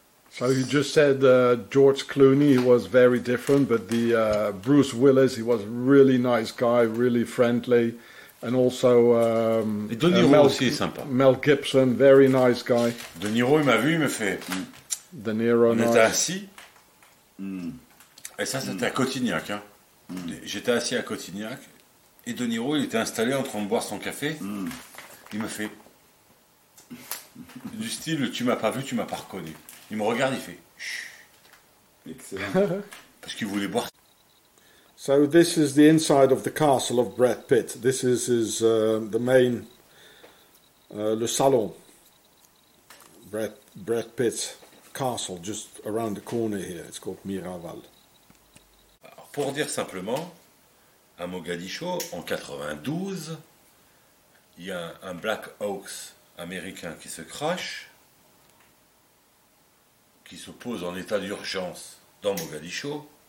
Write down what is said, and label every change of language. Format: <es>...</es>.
<en>So you just said George Clooney was very different, but the Bruce Willis, he was really nice guy, really friendly, and also</en> <fr>et De Niro aussi est sympa.</fr> <en>Mel Gibson, very nice guy.</en> <fr>De Niro, il m'a vu, il me fait. De Niro, on</fr> <en>nice.</en> <fr>Était assis. Et ça, c'était à Cotignac. Hein. J'étais assis à Cotignac. Et De Niro, il était installé en train de boire son café. Il me fait du style, tu m'as pas vu, tu m'as pas reconnu. Il me regarde, il fait chut. Excellent. Parce qu'il voulait boire.</fr> <en>So this is the inside of the castle of Brad Pitt. This is his the main</en> <fr>le salon.</fr> <en>Brad Pitt's castle just around the corner here. It's called Miraval.</en> <fr>Alors, pour dire simplement. À Mogadiscio, en 92, il y a un Black Hawks américain qui se crache, qui se pose en état d'urgence dans Mogadiscio.</fr>